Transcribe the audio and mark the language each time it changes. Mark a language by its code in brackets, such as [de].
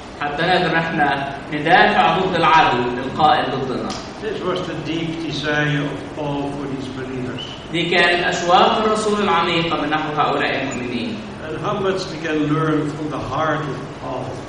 [ar] حتى نقدر نحن ندافع ضد العدو القائم ضدنا. [en] This was the deep desire of Paul for these believers. [ar] دي كانت أشواق الرسول العميقة من نحو هؤلاء المؤمنين. [en] And how much we can learn from the heart of Paul.